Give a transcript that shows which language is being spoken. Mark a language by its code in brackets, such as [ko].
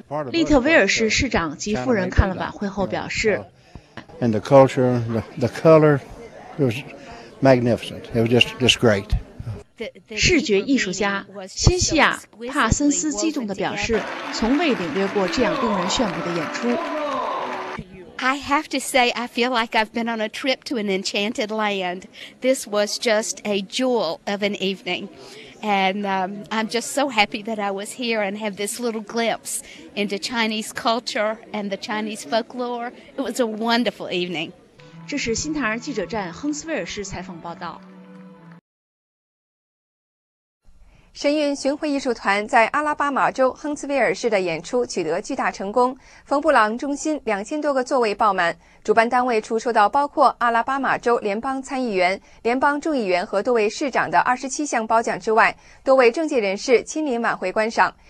[zh] 利特威尔市市长及夫人看了晚会后表示， [en] And the culture, the color, it was magnificent. It was just great. [zh] 视觉艺术家辛西亚·帕森斯激动地表示，从未领略过这样令人炫目的演出。 [en] I have to say, I feel like I've been on a trip to an enchanted land. This was just a jewel of an evening. And I'm just so happy that I was here and have this little glimpse into Chinese culture and the Chinese folklore. It was a wonderful evening. [zh] 这是新唐人记者站亨斯威尔市采访报道。神韵巡回艺术团在阿拉巴马州亨斯威尔市的演出取得巨大成功，冯布朗中心2000多个座位爆满，主办单位出售到包括阿拉巴马州联邦参议员、联邦众议员和多位市长的27项褒奖之外，多位政界人士亲临晚会观赏。